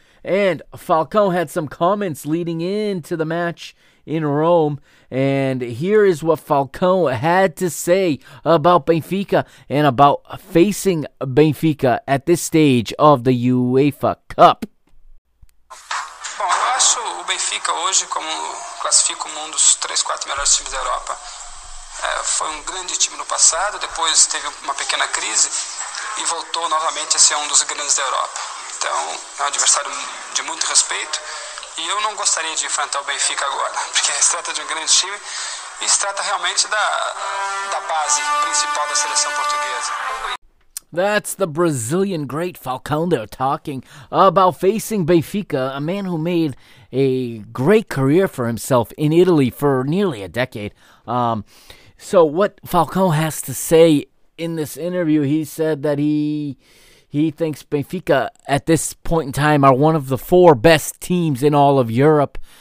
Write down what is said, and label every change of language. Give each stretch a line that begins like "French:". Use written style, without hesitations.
English: And Falcão had some comments leading into the match in Rome. And here is what Falcão had to say about Benfica and about facing Benfica at this stage of the UEFA Cup.
Portuguese: Benfica hoje, como classifica um dos 3, 4 melhores times da Europa. Foi um grande time no passado, depois teve uma pequena crise e voltou novamente a ser um dos grandes da Europa. Então, é um adversário de muito respeito e eu não gostaria de enfrentar o Benfica agora, porque se trata de um grande time e se trata realmente da base principal da seleção portuguesa.
English: That's the Brazilian great Falcão there talking about facing Benfica, a man who made a great career for himself in Italy for nearly a decade. So what Falcão has to say in this interview, he said that he thinks Benfica at this point in time are one of the 4 best teams in all of Europe.